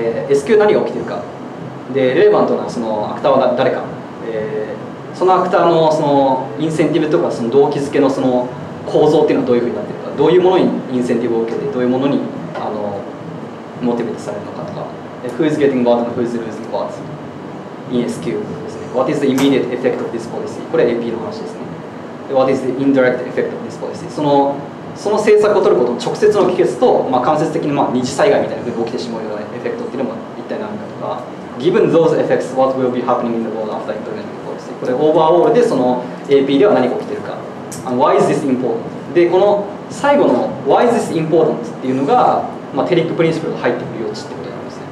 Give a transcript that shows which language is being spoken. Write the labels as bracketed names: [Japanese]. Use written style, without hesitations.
[Japanese] ですけど、SQ 何が起きているか、でレレバントなそのアクターは誰か、そのアクター そのインセンティブとかその動機づけ その構造っていうのはどういうふうになっているか、どういうものにインセンティブを受けてどういうものにモチベートされるのかとか、 [English] Who is getting what and who is losing what in SQ [Japanese] ですね。 [English] What is the immediate effect of this policy、 [Japanese] これは AP の話ですね。 [English] What is the indirect effect of this policy、 [Japanese] その政策を取ることの直接の帰結と、まあ、間接的に、まあ、二次災害みたいなふうに起きてしまうようなエフェクトっていうのも一体何かとか、 [English] Given those effects, what will be happening in the world after implementing the policy、 [Japanese] これオーバーオールでその AP では何が起きているか、 [English] Why is this important? [Japanese] で、この最後の [English] Why is this important? [Japanese] っていうのが、まあ、テリックプリンシプルが入ってくる余地ってことなんですね。